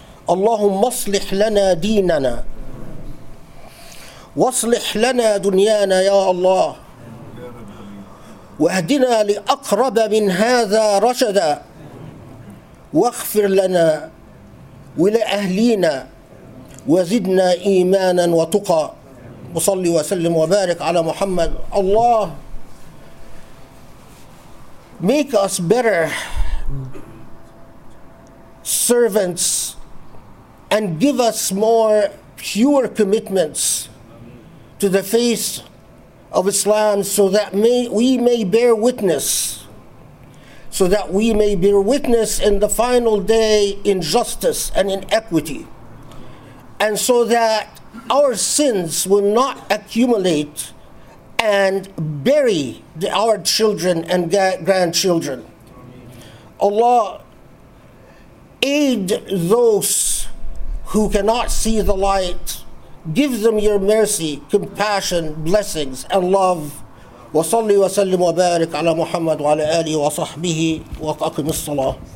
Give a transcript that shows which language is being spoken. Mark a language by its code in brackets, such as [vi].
[ar] اللهم اصلح لنا ديننا، واصلح لنا دنيانا يا الله، واهدنا لأقرب من هذا رشدا، واغفر لنا ولأهلينا، وزدنا إيمانا وتقى. وصلي وسلم وبارك على محمد. [en] الله make us better servants and give us more pure commitments to the faith of Islam, so that we may bear witness, so that we may bear witness in the final day in justice and in equity, and so that our sins will not accumulate and bury our children and grandchildren. Allah, aid those who cannot see the light. Give them your mercy, compassion, blessings, and love. [ar] وصلي وسلم وبارك على محمد وعلى آله وصحبه وأقم الصلاة.